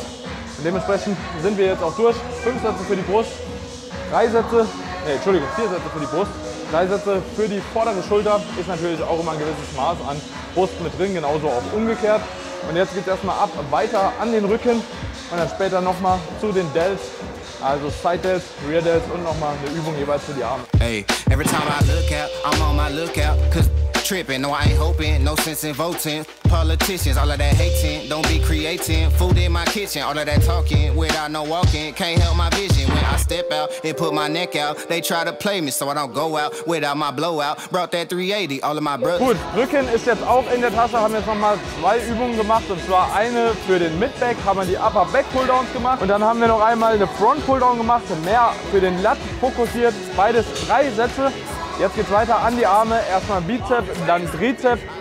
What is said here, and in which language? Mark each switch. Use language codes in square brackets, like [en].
[de] Und dementsprechend sind wir jetzt auch durch. 5 Sätze für die Brust, 3 Sätze, nee, Entschuldigung, 4 Sätze für die Brust. 3 Sätze für die vordere Schulter, ist natürlich auch immer ein gewisses Maß an Brust mit drin, genauso auch umgekehrt. Und jetzt geht es erstmal ab, weiter an den Rücken und dann später nochmal zu den Delts, also Side Delts, Rear Delts und nochmal eine Übung jeweils für die Arme. [en] Hey, every time I look out, I'm on my lookout, cause tripping, no I ain't hoping, no sense in voting. Politicians, all of that hating, don't be creating. Food in my kitchen, all of that talking, without no walking. Can't help my vision when I step out and put my neck out. They try to play me, so I don't go out without my blowout. Brought that 380, all of my brothers. [de] Gut, Rücken ist jetzt auch in der Tasche. Haben jetzt nochmal 2 Übungen gemacht. Und zwar eine für den Mid-Back, haben wir die Upper-Back-Pulldowns gemacht. Und dann haben wir noch einmal eine Front-Pulldown gemacht. Mehr für den Lat fokussiert. Beides 3 Sätze. Jetzt geht's weiter an die Arme. Erstmal Bizep, dann Trizep.